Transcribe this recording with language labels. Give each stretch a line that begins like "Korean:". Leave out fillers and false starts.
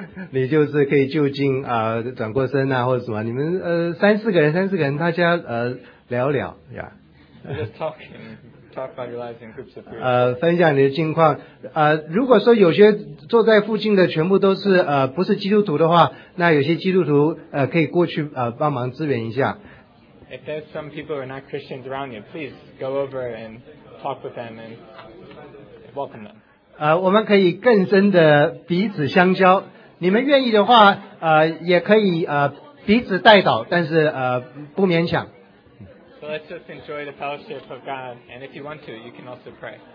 Chinese: 你就是可以就近转过身啊，或者什么，你们三四个人，大家聊聊呀。
English: Yeah. Just talk about your lives in groups of three.
Chinese: 分享你的近况。如果说有些坐在附近的全部都是不是基督徒的话，那有些基督徒可以过去帮忙支援一下。
English: If there's some people who are not Christians around you, please go over and talk with them and welcome them.
Chinese: 我们可以更深的彼此相交。你们愿意的话，也可以彼此代祷，但是不勉强。
English: So let's just enjoy the fellowship of God, and if you want to, you can also pray.